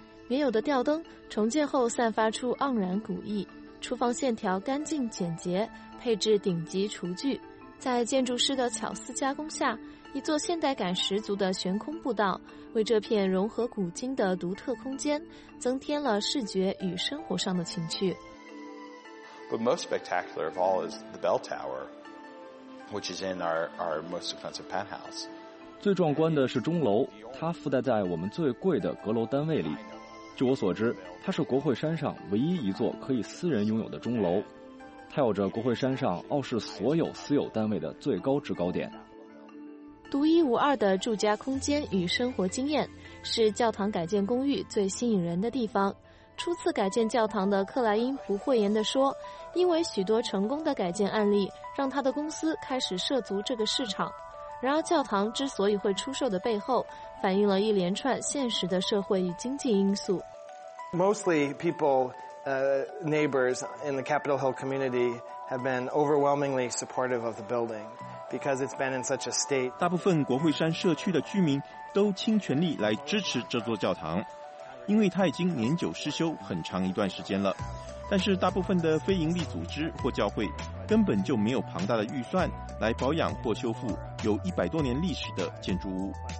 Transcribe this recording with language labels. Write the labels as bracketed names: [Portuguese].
[Chinese] 原有的吊灯重建后散发出盎然古意，厨房线条干净简洁，配置顶级厨具。在建筑师的巧思加工下，一座现代感十足的悬空步道为这片融合古今的独特空间增添了视觉与生活上的情趣。 [English] But most spectacular of all is the bell tower, which is in our most expensive penthouse. [Chinese] 最壮观的是钟楼，它附带在我们最贵的阁楼单位里。据我所知，它是国会山上唯一一座可以私人拥有的钟楼，它有着国会山上傲视所有私有单位的最高制高点。独一无二的住家空间与生活经验是教堂改建公寓最吸引人的地方。初次改建教堂的克莱因不讳言地说，因为许多成功的改建案例让他的公司开始涉足这个市场。然而教堂之所以会出售的背后反映了一连串现实的社会与经济因素。 [English] Mostly people, neighbors in the Capitol Hill community have been overwhelmingly supportive of the building because it's been in such a state. [Chinese] 大部分国会山社区的居民都倾全力来支持这座教堂，因为它已经年久失修很长一段时间了。但是大部分的非营利组织或教会根本就没有庞大的预算来保养或修复有100多年历史的建筑物。